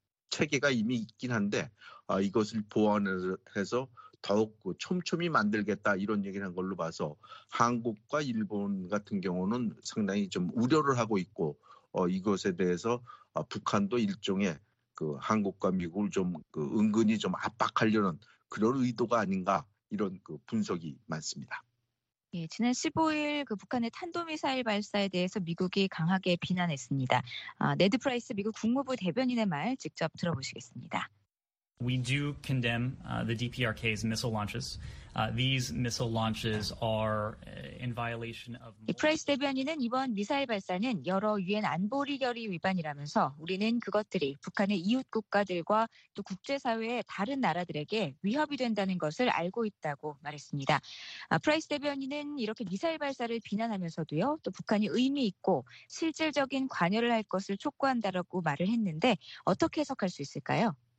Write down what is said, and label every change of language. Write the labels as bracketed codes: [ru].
[ko] 체계가 이미 있긴 한데 이것을 보완해서 더욱 그 촘촘히 만들겠다 이런 얘기를 한 걸로 봐서 한국과 일본 같은 경우는 상당히 좀 우려를 하고 있고 이것에 대해서 북한도 일종의 그 한국과 미국을 좀 그 은근히 좀 압박하려는 그런 의도가 아닌가 이런 그 분석이 많습니다. 예, 지난 15일 그 북한의 탄도미사일 발사에 대해서 미국이 강하게 비난했습니다. 네드 프라이스 미국 국무부 대변인의 말 직접 들어보시겠습니다. [en] We do condemn the DPRK's missile launches. These missile launches are in violation of. [ko] 프라이스 대변인은 이번 미사일 발사는 여러 유엔 안보리 결의 위반이라면서 우리는 그것들이 북한의 이웃 국가들과 또 국제사회의 다른 나라들에게 위협이 된다는 것을 알고 있다고 말했습니다. 프라이스 대변인은 이렇게 미사일 발사를 비난하면서도요, 또 북한이 의미 있고 실질적인 관여를 할 것을 촉구한다라고 말을 했는데 어떻게 해석할 수 있을까요?